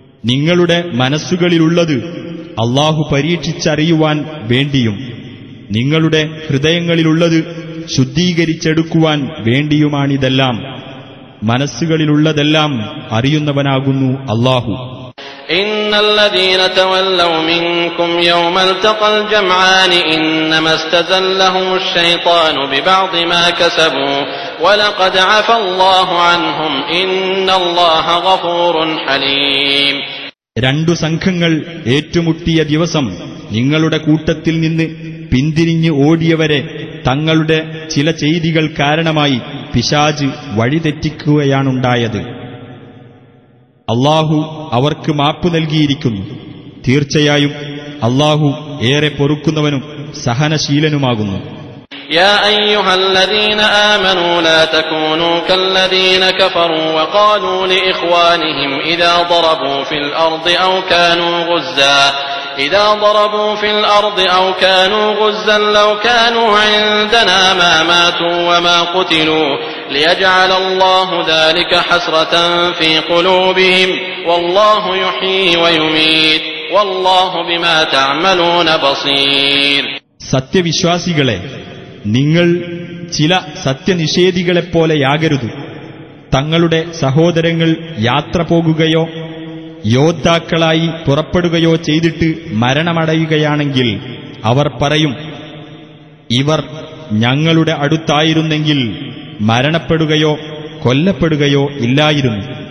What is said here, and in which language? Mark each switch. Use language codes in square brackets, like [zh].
[ml] നിങ്ങളുടെ മനസ്സുകളിലുള്ളത് അല്ലാഹു പരീക്ഷിച്ചറിയുവാൻ വേണ്ടിയും നിങ്ങളുടെ ഹൃദയങ്ങളിലുള്ളത് ശുദ്ധീകരിച്ചെടുക്കുവാൻ വേണ്ടിയുമാണിതെല്ലാം. മനസ്സുകളിലുള്ളതെല്ലാം അറിയുന്നവനാകുന്നു അല്ലാഹു. [ar] إن الذين تولوا منكم يوم التقى الجمعان إنما استزلهم الشيطان ببعض ما كسبوا ولقد عفى الله عنهم إن الله غفور حليم. [ml] രണ്ടു സംഘങ്ങൾ ഏറ്റുമുട്ടിയ ദിവസം നിങ്ങളുടെ കൂട്ടത്തിൽ നിന്ന് പിന്തിരിഞ്ഞു ഓടിയവരെ തങ്ങളുടെ ചില ചെയ്തികൾ കാരണമായി പിശാച് വഴിതെറ്റിക്കുകയാണുണ്ടായത്. അല്ലാഹു അവർക്ക് മാപ്പ് നൽകിയിരിക്കുന്നു. തീർച്ചയായും അല്ലാഹു ഏറെ പൊറുക്കുന്നവനും സഹനശീലനുമാകുന്നു. [ar] യാ അയ്യുഹല്ലദീന ആമനു ലാ തകൂനൂ കല്ലദീന കഫറു വഖാലൂ ലിഇഖ്വാനിഹിം ഇദാ ദറബൂ ഫിൽ അർദി ഔ കാനൂ ഗുസ്സാ إذا ضربوا في الأرض أو كانوا غزا لو كانوا عندنا ما ماتوا وما قتلوا ليجعل الله ذلك حسرة في قلوبهم والله يحيي ويميت والله بما تعملون بصير. [ml] സത്യ വിശ്വാസികളെ, നിങ്ങൾ ചില സത്യനിഷേധികളെപ്പോലെ യാകരുത്. തങ്ങളുടെ സഹോദരങ്ങൾ യാത്ര പോകുകയോ യോദ്ധാക്കളായി പുറപ്പെടുകയോ ചെയ്തിട്ട് മരണമടയുകയാണെങ്കിൽ അവർ പറയും, ഇവർ ഞങ്ങളുടെ അടുത്തായിരുന്നെങ്കിൽ മരണപ്പെടുകയോ കൊല്ലപ്പെടുകയോ ഇല്ലായിരുന്നു.